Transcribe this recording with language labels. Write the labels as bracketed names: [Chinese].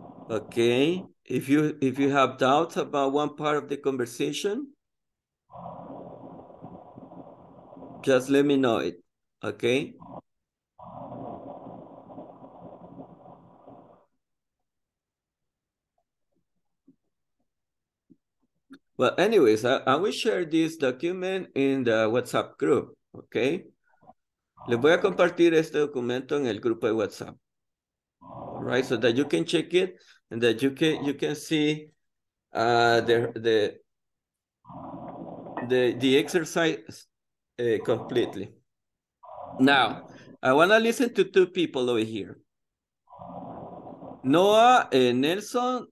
[English] Okay, if you have doubts about one part of the conversation, just let me know it, okay? Well, anyways, I will share this document in the WhatsApp group, okay? [Spanish] Les voy a compartir este documento en el grupo de WhatsApp. [English] Right, so that you can check it and that you can see the exercise completely. Now, I want to listen to two people over here. Noah and Nelson.